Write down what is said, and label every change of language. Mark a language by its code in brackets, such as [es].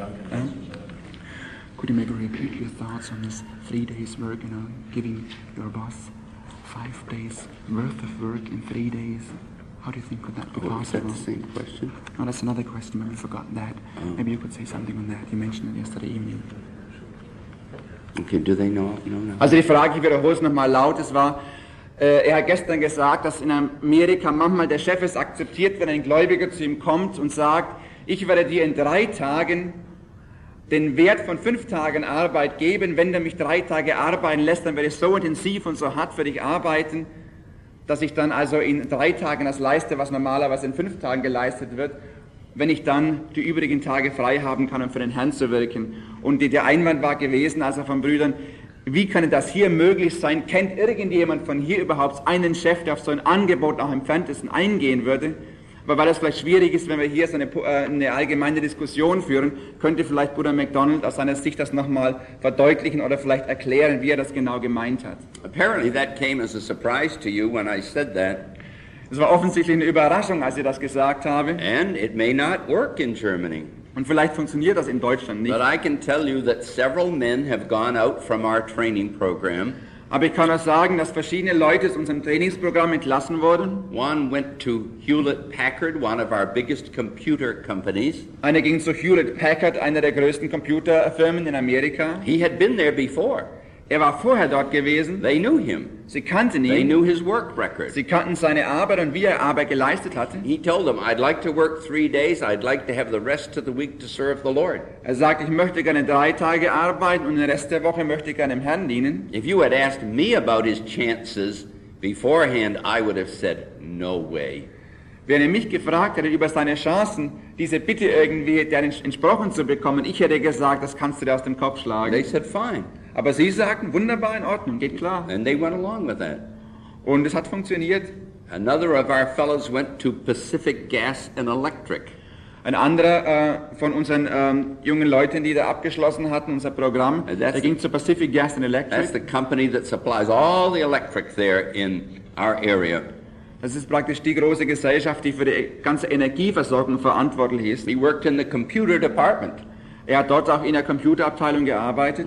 [en] Could you maybe repeat your thoughts on this 3 days work, you know, giving your boss 5 days worth of work in 3 days? How do you think could that be possible? Is that the same question? No, that's another question, maybe we forgot that. Oh. Maybe you could say something on that. You mentioned it yesterday evening. Okay, do they know? No. [de] Also die Frage, ich wiederhole es nochmal laut, es war, er hat gestern gesagt, dass in Amerika manchmal der Chef es akzeptiert, wenn ein Gläubiger zu ihm kommt und sagt, ich werde dir in 3 Tagen den Wert von 5 Tagen Arbeit geben, wenn du mich 3 Tage arbeiten lässt, dann werde ich so intensiv und so hart für dich arbeiten, dass ich dann also in 3 Tagen das leiste, was normalerweise in 5 Tagen geleistet wird, wenn ich dann die übrigen Tage frei haben kann, um für den Herrn zu wirken. Und der Einwand war gewesen, also von Brüdern, wie kann das hier möglich sein? Kennt irgendjemand von hier überhaupt einen Chef, der auf so ein Angebot auch im Entferntesten eingehen würde? Aber weil es vielleicht schwierig ist, wenn wir hier so eine allgemeine Diskussion führen, könnte vielleicht Bruder MacDonald aus seiner Sicht das nochmal verdeutlichen oder vielleicht erklären, wie er das genau gemeint hat. [en] Apparently that came as a surprise to you when I said that. [de] Es war offensichtlich eine Überraschung, als ich das gesagt habe. [en] And it may not work in Germany. [de] Und vielleicht funktioniert das in Deutschland nicht. [en] But I can tell you that several men have gone out from our training program. [de] Aber ich kann auch sagen, dass verschiedene Leute aus unserem Trainingsprogramm entlassen wurden. [en] One went to Hewlett-Packard, one of our biggest computer companies. [de] Einer ging zu Hewlett-Packard, einer der größten Computerfirmen in Amerika. [en] He had been there before. [de] Er war vorher dort gewesen. [en] They knew him. [de] Sie kannten ihn. [en] They knew his work record. [de] Sie kannten seine Arbeit und wie er Arbeit geleistet hatte. [en] He told them, I'd like to work 3 days, I'd like to have the rest of the week to serve the Lord. [de] Er sagte, ich möchte gerne 3 Tage arbeiten und den Rest der Woche möchte ich gerne dem Herrn dienen. [en] If you had asked me about his chances beforehand, I would have said, no way. [de] Wenn er mich gefragt hätte über seine Chancen, diese Bitte irgendwie deren entsprochen zu bekommen, ich hätte gesagt, das kannst du dir aus dem Kopf schlagen. [en] They said, fine. [de] Aber sie sagten, wunderbar, in Ordnung, geht klar. [en] And they went along with that. [de] Und es hat funktioniert. [en] Another of our fellows went to Pacific Gas and Electric. [de] Ein anderer von unseren jungen Leuten, die da abgeschlossen hatten, unser Programm, der ging zu Pacific Gas and Electric. [en] That's the company that supplies all the electric there in our area. [de] Das ist praktisch die große Gesellschaft, die für die ganze Energieversorgung verantwortlich ist. [en] He worked in the computer department. [de] Er hat dort auch in der Computerabteilung gearbeitet.